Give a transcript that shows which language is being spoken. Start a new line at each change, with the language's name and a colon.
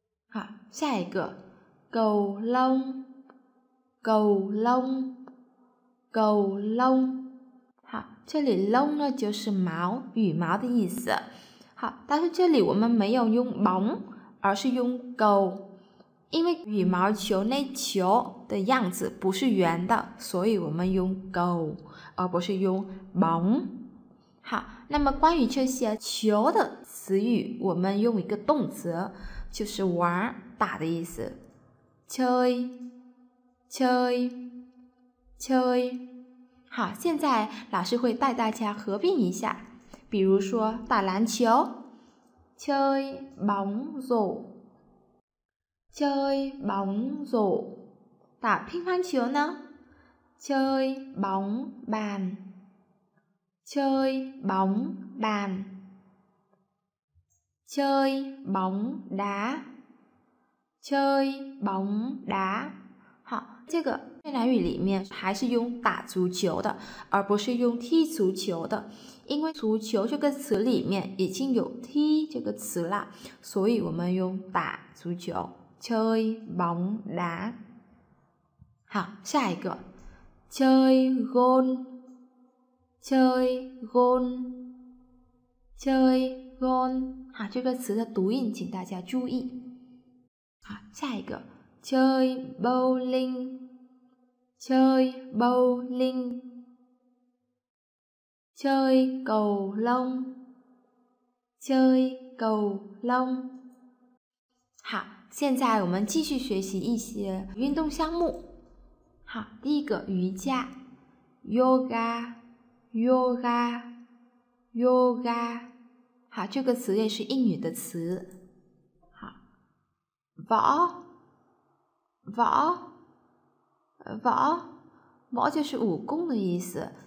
Chinese: 好，下一个
Vietnamese: cầu lông, cầu lông, cầu lông。
Chinese: 好，这里 lông 呢就是毛、羽毛的意思。好，但是这里我们没有用 bóng, 而是用 cầu。因为羽毛球那球的样子不是圆的，所以我们用 goal 而不是用 bóng。好，那么关于这些球的词语，我们用一个动词，就是玩打的意思，
Vietnamese: chơi chơi chơi。
Chinese: 好，现在老师会带大家合并一下，比如说打篮球
Vietnamese: chơi bóng rổ,chơi bóng rổ。
Chinese: 打乒乓球呢，
Vietnamese: chơi bóng bàn, chơi bóng bàn, chơi bóng đá, chơi bóng đá。
Chinese: 好，这个越南语里面还是用打足球的，而不是用踢足球的，因为足球这个词里面已经有踢这个词了，所以我们用打足球，
Vietnamese: chơi bóng đá。
Chinese: 好，下一个
Vietnamese: chơi gôn, chơi gôn, chơi gôn。
Chinese: 好，这个词的读音请大家注意。好，下一个
Vietnamese: chơi bowling, chơi bowling, chơi cầu lông, chơi cầu lông。
Chinese: 好，现在我们继续学习一些运动项目。好，第一个瑜伽
Vietnamese: ，yoga, yoga, yoga。
Chinese: 好，这个词也是英语的词。好，毛，毛，毛，毛就是武功的意思。